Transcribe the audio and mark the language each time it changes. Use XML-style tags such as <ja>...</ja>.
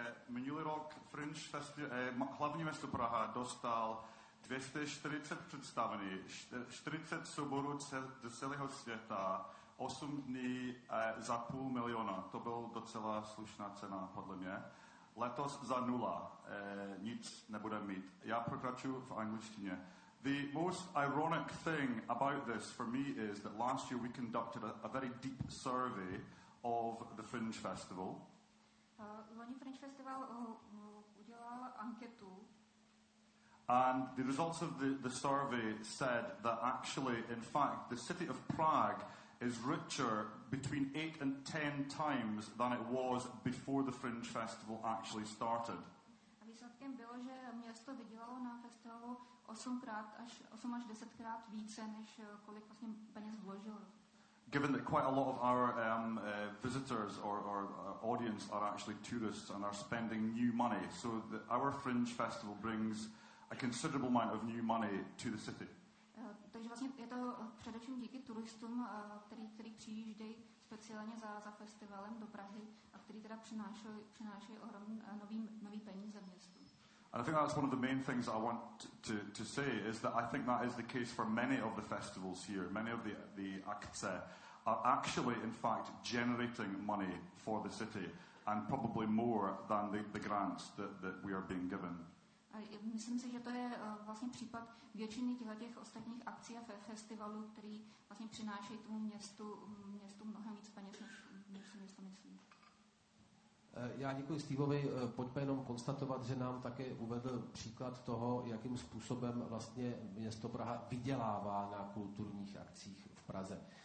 <cs>Minulý rok Fringe festival, hlavní město Praha, dostal 240 představených, 40 souborů do celého světa, 8 dní za 500 000. To byla docela slušná cena, podle mě. Letos za nula. Nic nebude mít. Já pokračuju v angličtině.</cs> <en>The most ironic thing about this for me is that last year we conducted a very deep survey of the Fringe Festival.</en> <cs>Loni Fringe Festival udělal anketu.</cs> <en>And the results of the survey said that actually, in fact, the city of Prague is richer between 8 and 10 times than it was before the Fringe Festival actually started.</en> <cs>A výsledkem bylo, že město vydělalo na festivalu 8 až 10krát více, než kolik vlastně peněz vložilo.</cs> <en>Given that quite a lot of our visitors or audience are actually tourists and are spending new money, so our Fringe Festival brings a considerable amount of new money to the city.</en> <cs>Takže vlastně je to především díky turistům, který přijíždějí speciálně za festivalem do Prahy a který teda přinášejí ohromný nový peníze městu.</cs> <en>And I think that's one of the main things I want to say is that I think that is the case for many of the festivals here. Many of the akce are actually, in fact, generating money for the city and probably more than the grants that we are being given.</en> <cs>Myslím si, že to je vlastně případ většiny těch ostatních akcí a festivalů, který vlastně přinášejí tomu městu mnohem víc peněz, než si město myslí. Já děkuji Stevovi. Pojďme jenom konstatovat, že nám také uvedl příklad toho, jakým způsobem vlastně město Praha vydělává na kulturních akcích v Praze.</cs>